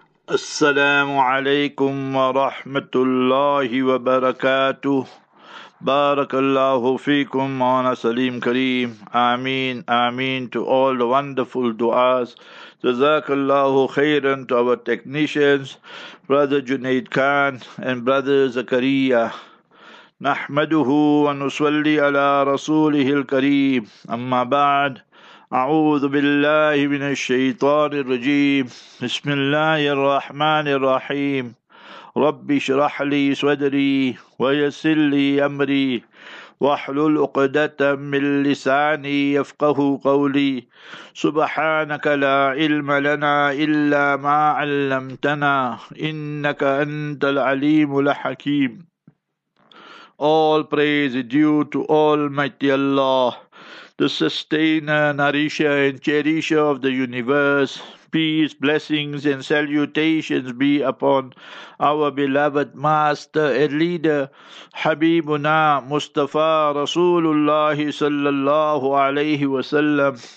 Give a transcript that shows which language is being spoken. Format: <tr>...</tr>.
<ar>السلام عليكم ورحمة الله وبركاته. بارك الله فيكم مولانا سليم كريم.</ar> <en>آمين آمين to all the wonderful du'as.</en> <ar>جزاك الله خيرا</ar> <en>to our technicians, brother Junaid Khan and brother Zakaria.</en> <ar>نحمده ونصلي على رسوله الكريم. أما بعد, أعوذ بالله من الشيطان الرجيم. بسم الله الرحمن الرحيم. رب اشرح لي صدري ويسر لي أمري واحلل عقدة من لساني يفقه قولي. سبحانك لا علم لنا إلا ما علمتنا إنك أنت العليم الحكيم.</ar> <en>All praise is due to Almighty Allah, the sustainer, nourisher and cherisher of the universe. Peace, blessings and salutations be upon our beloved master and leader, Habibuna Mustafa Rasulullah sallallahu alayhi wa sallam.</en>